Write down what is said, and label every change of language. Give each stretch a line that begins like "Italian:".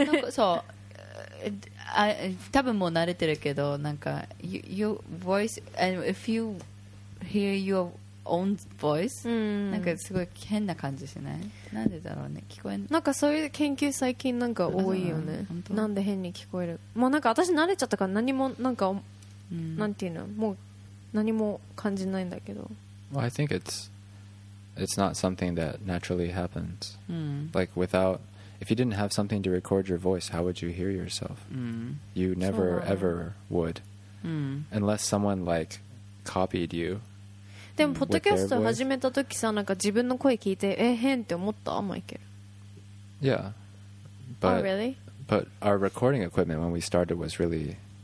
Japanese: そうあ多分もう慣れてるけどなんか
English: your voice and if you hear your own voice、
Japanese: うん、なんかすごい変な感じしないなんでだろうね聞こえなんかそういう研究最近なんか多いよねなんで変に聞こえるもうなんか私慣れちゃったから何もなんか、うん、なんていうのもう何も感じないんだけど
English: Well, I think it's not something that naturally happens. Mm. Like without, if you didn't have something to record your voice, how would you hear yourself? Mm. You never ever would. Mm. Unless someone like copied you.
Japanese: でもポッドキャスト始めた時さなんか自分の声聞いてえ変って思ったマイケル。
English: Yeah. But, oh really? But our recording equipment when we started was really